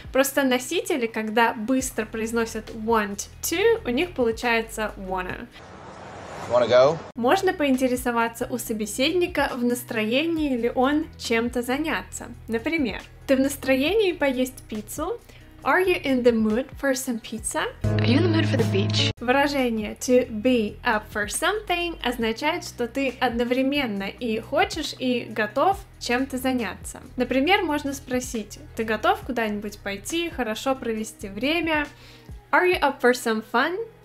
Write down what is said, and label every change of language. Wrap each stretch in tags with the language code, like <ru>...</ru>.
<ru>Просто носители, когда быстро произносят want to, у них получается wanna.</ru> <en>Wanna go?</en> <ru>Можно поинтересоваться у собеседника, в настроении ли он чем-то заняться. Например, ты в настроении поесть пиццу?</ru> <en>Are you in the mood for some pizza? Are you in the mood for the beach?</en> <ru>Выражение</ru> <en>to be up for something</en> <ru>означает, что ты одновременно и хочешь, и готов чем-то заняться. Например, можно спросить: ты готов куда-нибудь пойти, хорошо провести время?</ru> <en>Are you up for some fun?</en>